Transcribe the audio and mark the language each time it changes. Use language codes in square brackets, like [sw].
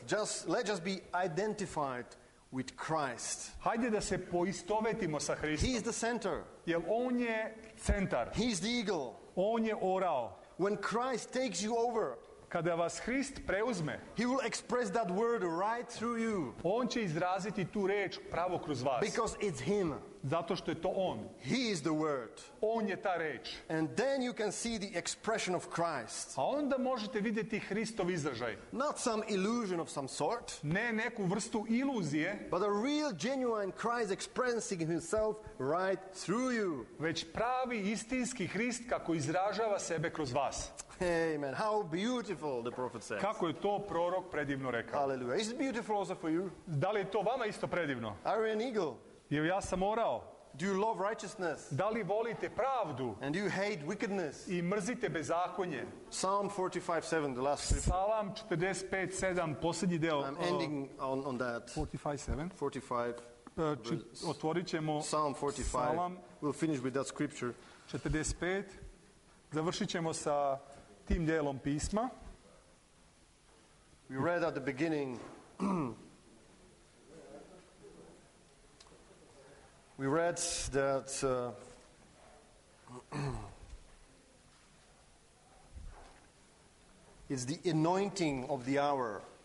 [en] Just let us be identified with Christ. [sr] Hajde da se poistovetimo sa Hristom. [en] He is the center. [sr] Jer on je centar. [en] He is the eagle. [sr] On je orao. [en] When Christ takes you over. [sr] Kada vas Hrist preuzme, [en] he will express that word right through you. [sr] On će izraziti tu reč pravo kroz vas. [en] Because it's him. [sr] Zato što je to on. [en] He is the word. [sr] On je ta reč. [en] And then you can see the expression of Christ. [sr] A onda možete vidjeti Hristov izražaj. [en] Not some illusion of some sort. [sr] Ne neku vrstu iluzije. [en] But a real genuine Christ expressing himself right through you. [sr] Već pravi istinski Hrist kako izražava sebe kroz vas. Amen. [en] How beautiful, the prophet says. [sr] Kako je to prorok predivno rekao. Hallelujah. [en] Is it beautiful also for you? [sr] Da li je to vama isto predivno? [en] Are you an eagle? [sr] Jer ja sam orao. [en] Do you love righteousness? [sr] Da li volite pravdu? [en] And do you hate wickedness? [sr] I mrzite bezakonje. [en] Psalm 45:7, the last scripture. [sr] Psalm 45:7, posljednji deo. [en] I'm ending on that. [sr] 45:7. Otvorit ćemo [en] Psalm 45. Psalm. We'll finish with that scripture. 45. [sr] Završit ćemo sa tim dijelom pisma. [en] We read at the beginning. We read that it's the anointing of the hour.